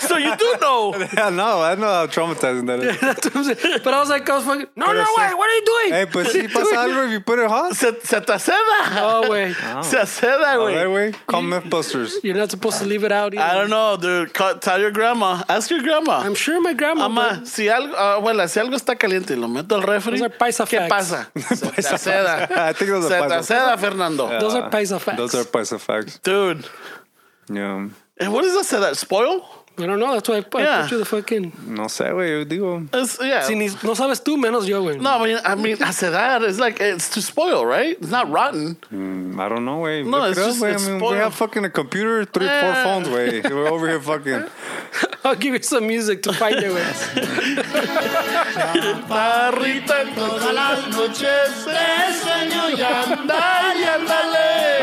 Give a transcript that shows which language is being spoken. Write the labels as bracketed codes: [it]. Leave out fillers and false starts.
[en] So you do know. Yeah, no, I know how traumatizing that is. That's what I'm saying. But I was like, I was fucking... No, wait, what are you doing? Hey, but... [es] Si pasa algo, [en] if you put it hot, [es] se te aceda. Oh, güey. Se aceda, güey. [en] All right, güey. Call Mythbusters. You're not supposed to leave it out either. I don't know, dude. Tell your grandma. Ask your grandma. I'm sure my grandma. [es] Mama, si algo, abuela, si algo está caliente y lo meto al refri. [en] Those are paisa facts. [es] ¿Qué pasa? Se te aceda. [en] I think those are paisa facts. [es] Se te aceda, Fernando. [en] Yeah. Those are paisa facts. Those are paisa facts. Dude. Yeah. And what is that? That spoil? I don't know. That's why I put you the fucking... [es] No sé, güey. Yo digo... No sabes tú, menos yo, güey. [en] No, I mean, a sedar is like... It's to spoil, right? It's not rotten. I don't know, güey. No, it's just spoiled. We have fucking a computer, 3-4 phones, güey. We're over here fucking... I'll give you some music to fight it with. [es] Parrita todas las noches de sueño y anda y andale.